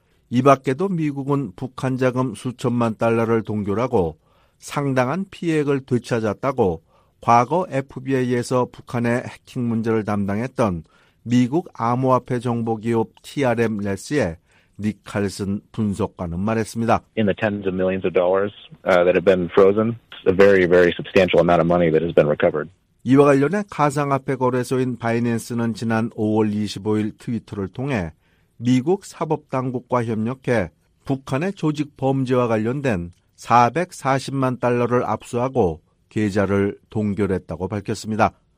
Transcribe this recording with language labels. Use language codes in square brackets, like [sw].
[ko] 이 밖에도 미국은 북한 자금 수천만 달러를 동결하고 상당한 피해액을 되찾았다고 과거 FBI에서 북한의 해킹 문제를 담당했던 미국 암호화폐 정보기업 TRM-less의 니칼슨 분석관은 말했습니다. [en] In the tens of millions of dollars that have been frozen, a very, very substantial amount of money that has been recovered. [ko] 이와 관련해 가상화폐 거래소인 바이낸스는 지난 5월 25일 트위터를 통해 미국 사법당국과 협력해 북한의 조직 범죄와 관련된 440만 달러를 압수하고 계좌를 동결했다고 밝혔습니다.